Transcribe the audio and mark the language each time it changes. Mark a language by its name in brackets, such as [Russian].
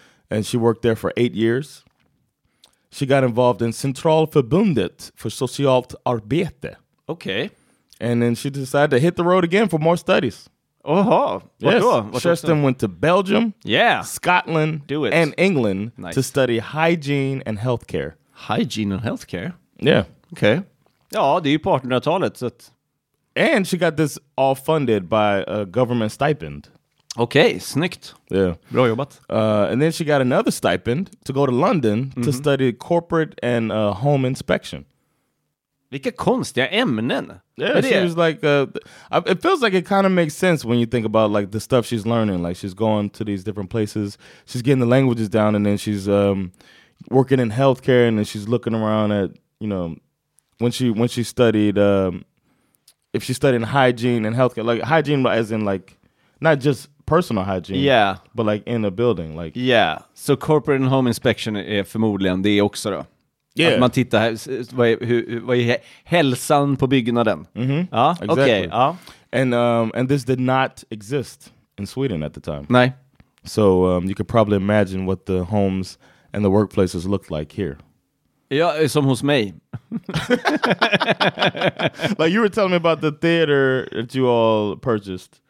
[English] And she worked there for 8 years. She got involved in Centralförbundet för socialt arbete. Okay. And then she decided to hit the road again for more studies. Oha. Yes. Sherston went to Belgium. Yeah. Scotland. Do it. And England to study hygiene and healthcare. Hygiene and healthcare? Yeah. Okay. [Swedish] Ja, det är ju 1800-talet. Så att... [English] And she got this all funded by a government stipend. [Swedish] Okay, snyggt. [English] Yeah. [Swedish] Bra jobbat. [English] And then she got another stipend to go to London to study corporate and home inspection. [Swedish] Vilka konstiga ämnen. [English] Yeah, she was like, it feels like it kind of makes sense when you think about like the stuff she's learning. Like she's going to these different places, she's getting the languages down, and then she's working in healthcare, and then she's looking around at, you know, when she studied, if she studied hygiene and healthcare, like hygiene as in like not just personal hygiene, yeah, but like in a building, like yeah. So corporate and home inspection [Swedish] är förmodligen det också då. [English] Yeah. [Swedish] Att man tittar här, vad är hälsan på byggnaden? [English] Mm-hmm. Ja, exactly. Okay. And this did not exist in Sweden at the time. [Swedish] Nej. [English] So you could probably imagine what the homes and the workplaces looked like here. [Swedish] Ja, som hos mig. [English] Like you were telling me about the theater that you all purchased.